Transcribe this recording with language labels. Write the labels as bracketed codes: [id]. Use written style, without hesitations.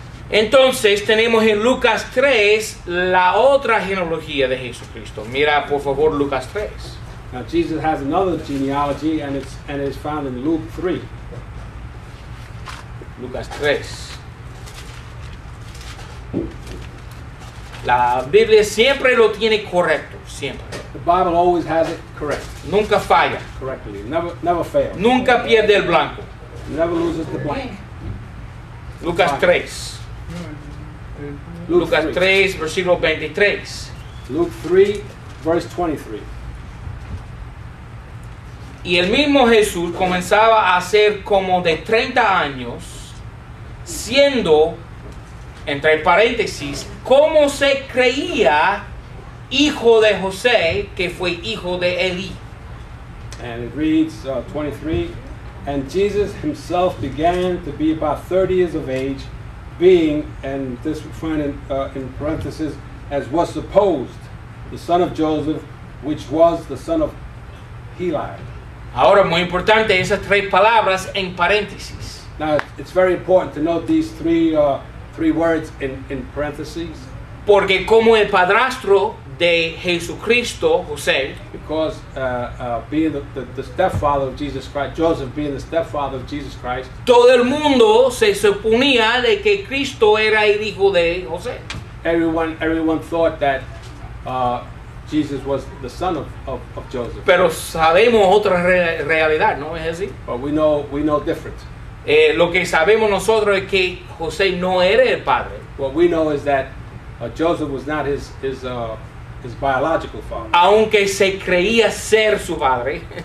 [es] Entonces tenemos en Lucas 3 la otra genealogía de Jesucristo. Mira, por favor, Lucas 3. [en] Now Jesus has another genealogy, and it's found in Luke 3. [es] Lucas 3. La Biblia siempre lo tiene correcto, siempre. [en] The Bible always has it correct. [es] Nunca falla. [en] Correctly, never fails. [es] Nunca pierde el blanco. [en] Never loses the blank. [es] Lucas 3. Lucas 3, versículo 23. [en] Luke 3, verse 23. [es] Y el mismo Jesús comenzaba a ser como de 30 años, siendo, entre paréntesis, como se creía hijo de José, que fue hijo de Elí. [en] And it reads 23, and Jesus himself began to be about 30 years of age, being, and this we find in parentheses, as was supposed, the son of Joseph, which was the son of Heli. [es] Ahora, muy importante, esas tres palabras en paréntesis. [en] Now, it's very important to note these three words in parentheses. [es] Porque como el padrastro de Jesucristo, José. [en] Because being the stepfather of Jesus Christ, Joseph being the stepfather of Jesus Christ. [es] Todo el mundo se suponía de que Cristo era el hijo de José. [en] Everyone thought that Jesus was the son of Joseph. [es] Pero sabemos otra realidad, ¿no es así? [en] But we know different. [es] Lo que sabemos nosotros es que José no era el padre. [en] What we know is that Joseph was not his biological father. [es] Aunque se creía ser su padre.